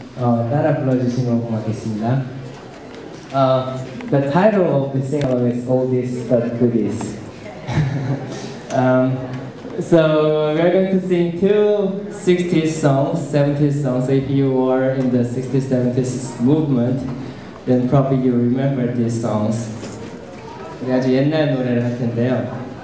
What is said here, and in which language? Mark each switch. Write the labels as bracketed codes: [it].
[ko] 따라 불러주신 걸 고맙겠습니다. [en] The title of this single is All This But Goodies. So we're going to sing two 60s songs, 70s songs. If you were in the 60s, 70s movement, then probably you remember these songs. [ko] 아주 옛날 노래를 할 텐데요.